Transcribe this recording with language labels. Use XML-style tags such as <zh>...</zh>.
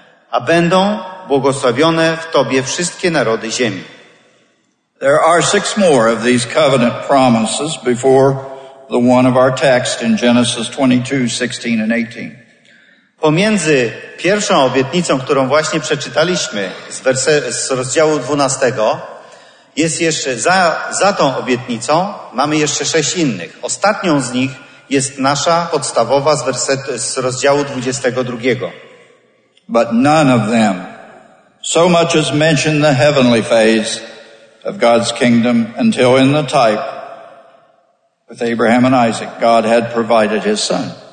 <pl>A będą błogosławione w tobie wszystkie narody ziemi.</pl> <en>There are 6 more of these covenant promises before the one of our text in Genesis 22, 16 and 18.</en> <pl>Pomiędzy pierwszą obietnicą, którą właśnie przeczytaliśmy z rozdziału 12, jest jeszcze za tą obietnicą mamy jeszcze 6 innych. Ostatnią z nich jest nasza podstawowa z rozdziału 22.</pl> <en>But none of them so much as mention the heavenly phase of God's kingdom until in the type with Abraham and Isaac God had provided his son.</en>